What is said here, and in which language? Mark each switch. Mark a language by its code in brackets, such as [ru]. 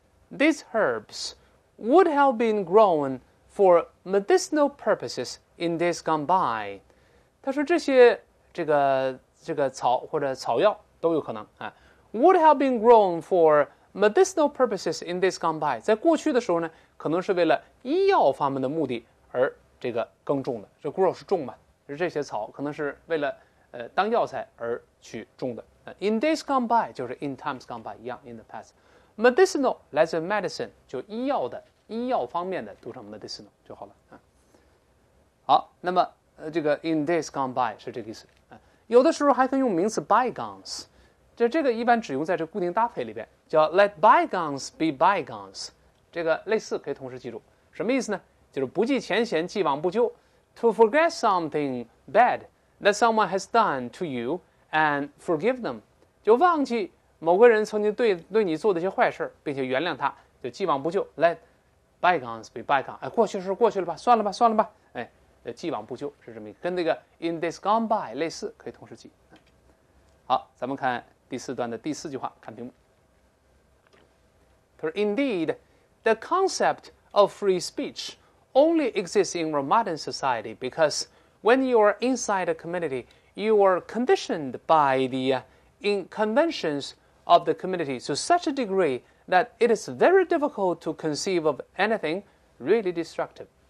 [en] These herbs would have been grown for medicinal purposes in days gone by。 [zh] 他说这些这个草或者草药都有可能啊。 [en] Would have been grown for medicinal purposes in days gone by。 [zh] 在过去的时候呢，可能是为了医药方面的目的而这个耕种的。这 grow 是种嘛，这些草可能是为了当药材而去种的。 [en] In days gone by [zh] 就是 [en] in times gone by [zh] 一样 [en] in the past。 [zh] Medicinal 来自 medicine， 就医药的，医药方面的，读成 medicinal 就好了啊。好，那么这个 in days gone by 是这个意思啊。有的时候还可以用名词 bygones， 这个一般只用在这固定搭配里边，叫 [en] let bygones be bygones。 [zh] 这个类似可以同时记住，什么意思呢？就是不计前嫌，既往不咎。 [en] To forget something bad that someone has done to you and forgive them， [zh] 就忘记某个人曾经对你做的一些坏事，并且原谅他，就既往不咎。 [en] Let bygones be bygones。 [zh] 哎，过去是过去了吧？算了吧，算了吧。哎，既往不咎是这么一个，跟那个 [en] in days gone by [zh] 类似，可以同时记。好，咱们看第四段的第四句话，看屏幕。他说 [en] ，Indeed, the concept of free speech only exists in our modern society because when you are inside a community, you are conditioned by the in conventions of the community to such a degree that it is very difficult to conceive of anything really destructive。